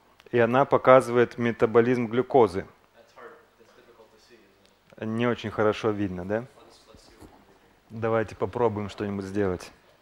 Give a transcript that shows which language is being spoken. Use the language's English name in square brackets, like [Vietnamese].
[Russian] И она показывает метаболизм глюкозы. [English] That's hard. That's difficult to see, isn't it? [Russian] Не очень хорошо видно, да? [English] Let's see what we can do. [Russian] Давайте попробуем что-нибудь сделать.